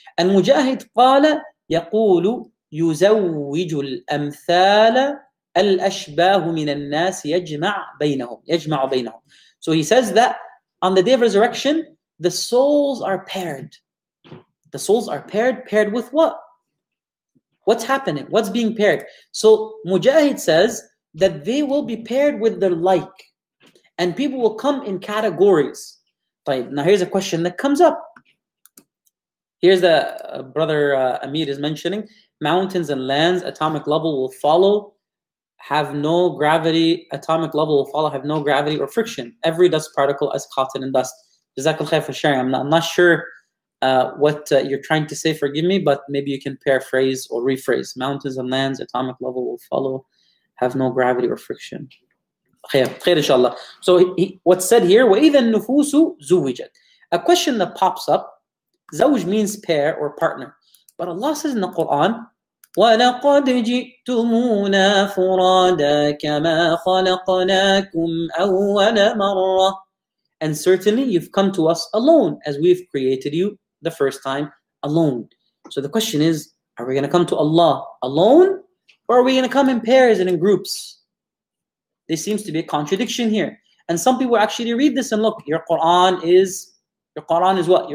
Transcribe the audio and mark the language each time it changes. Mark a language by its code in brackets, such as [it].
[ar] المجاهد قال يقول يزوج الأمثال الأشباه من الناس يجمع بينهم. يجمع بينهم. [en] So he says that on the day of resurrection, the souls are paired. The souls are paired. Paired with what? What's happening? What's being paired? So Mujahid says that they will be paired with their like. And people will come in categories. Now here's a question that comes up. Here's the brother Amir is mentioning. Mountains and lands, atomic level will follow. Have no gravity, atomic level will follow, have no gravity or friction. Every dust particle is cotton and dust. Jazakallah khair for sharing. I'm not sure what you're trying to say, forgive me, but maybe you can paraphrase or rephrase. Mountains and lands, atomic level will follow, have no gravity or friction. Khair inshallah. So what's said here, [ar] وَإِذَا النُّفُوسُ زُوِّجَتْ. [en] A question that pops up, زَوْج means pair or partner. But Allah says in the Quran, [ar] وَلَقَدْ جِئْتُمُونَا فُرَادَا كَمَا خَلَقْنَاكُمْ أَوَّلَ مَرَّةٍ. [en] And certainly you've come to us alone, as we've created you the first time alone. So the question is, are we going to come to Allah alone, or are we going to come in pairs and in groups? This seems to be a contradiction here. And some people actually read this and look, your Quran is what?